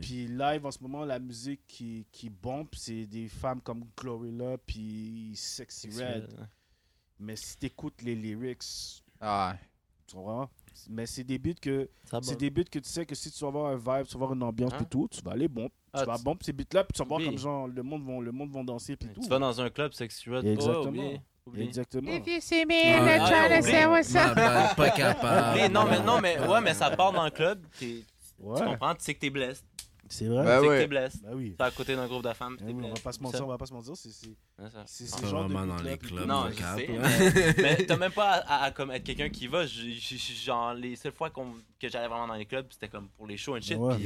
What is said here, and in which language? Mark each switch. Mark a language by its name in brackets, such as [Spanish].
[French] Puis live en ce moment, la musique qui bombe, c'est des femmes comme Glorilla, puis Sexy Red. Mais si t'écoutes les lyrics, tu vois. Mais c'est des beats que tu sais que si tu vas avoir un vibe, tu vas avoir une ambiance, puis tout, tu vas aller bon. Tu vas bon ces beats-là, puis tu vas voir comme genre le monde vont danser, puis tout. Tu vas dans un club sexuel. Exactement. [English] If you see me in the trying to say what's up. [French] Pas capable. Non, mais ça part dans le club. Tu comprends, tu sais que t'es blessé. C'est vrai, tu sais que t'es blessé. T'es à côté d'un groupe de femmes. On va pas se mentir. C'est ce genre de dans les clubs. Non, je sais. Mais t'as même pas à comme être quelqu'un qui va. Genre, les seules fois que j'allais vraiment dans les clubs, c'était comme pour les shows and shit.